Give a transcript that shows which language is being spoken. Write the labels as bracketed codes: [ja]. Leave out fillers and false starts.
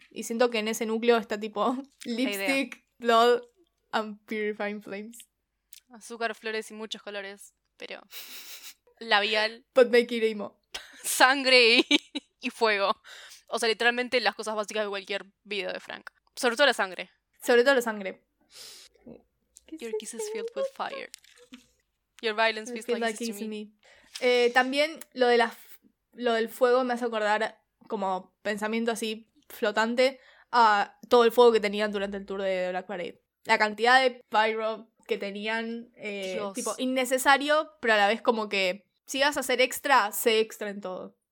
[es] Y siento que en ese núcleo está tipo lipstick, blood and purifying flames. Azúcar, flores y muchos colores, pero labial. [en] But make it emo. [es] Sangre y fuego. O sea, literalmente las cosas básicas de cualquier video de Frank. Sobre todo la sangre. Sobre todo la sangre. [en] Your kisses filled with fire. Your violence feels like kisses to me. [es] También lo del fuego me hace acordar, como pensamiento así flotante, a todo el fuego que tenían durante el tour de Black Parade. La cantidad de pyro que tenían, tipo, innecesario, pero a la vez como que si vas a hacer extra, sé extra en todo.